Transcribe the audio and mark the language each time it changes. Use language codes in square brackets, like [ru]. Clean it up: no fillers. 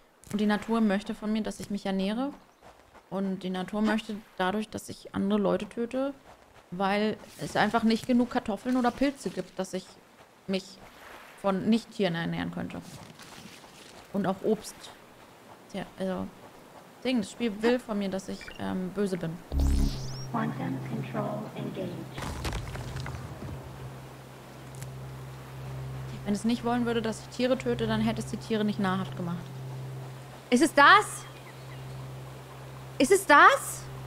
[de] Und die Natur möchte von mir, dass ich mich ernähre. Und die Natur möchte dadurch, dass ich andere Leute töte, weil es einfach nicht genug Kartoffeln oder Pilze gibt, dass ich mich von Nicht-Tieren ernähren könnte. Und auch Obst. Ja, also, Ding, das Spiel will von mir, dass ich böse bin. [en] Quantum Control engaged. [de] Wenn es nicht wollen würde, dass ich Tiere töte, dann hätte es die Tiere nicht nahrhaft gemacht. Ist es das? Ist es das?